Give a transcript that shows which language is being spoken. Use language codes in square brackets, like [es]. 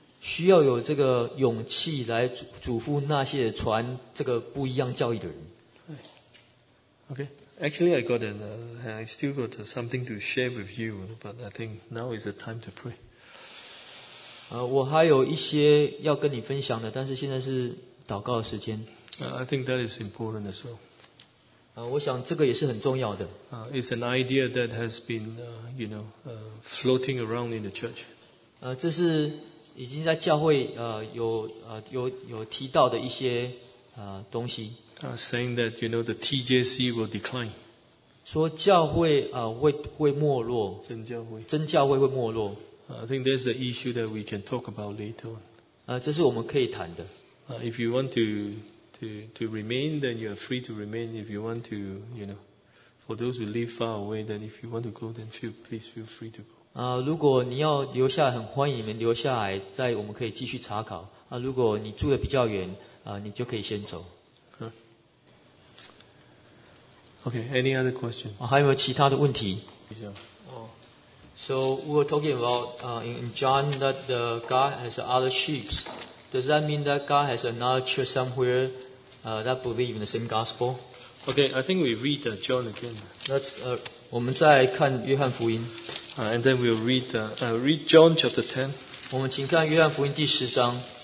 [zh] 需要有这个勇气来嘱咐那些传这个不一样教义的人。 [en] Okay, actually, I still got something to share with you, but I think now is the time to pray. [zh] 我还有一些要跟你分享的，但是现在是祷告的时间。 [en] I think that is important as well. [zh] 我想这个也是很重要的。 [en] It's an idea that has been, floating around in the church. [zh] 这是已经在教会有提到的一些东西。 [en] Saying that, you know, the TJC will decline. [zh] 说教会会没落。真教会会没落。 [en] I think there's an issue that we can talk about later on. [zh] 这是我们可以谈的。 [en] If you want to remain, then you are free to remain. If you want to, you know, for those who live far away, then if you want to go, then please feel free to go. [zh] 如果你要留下来，很欢迎你们留下来，在我们可以继续查考。如果你住的比较远，你就可以先走。 [en] Okay. Any other question? [zh] 还有没有其他的问题？比较。 [en] So we were talking about in John that the God has other sheep. Does that mean that God has another church somewhere that believe in the same gospel? Okay, I think we read John again. Let's [zh] 我们再看约翰福音。 [en] And then we'll read John chapter 10. [zh] 我们请看约翰福音第十章。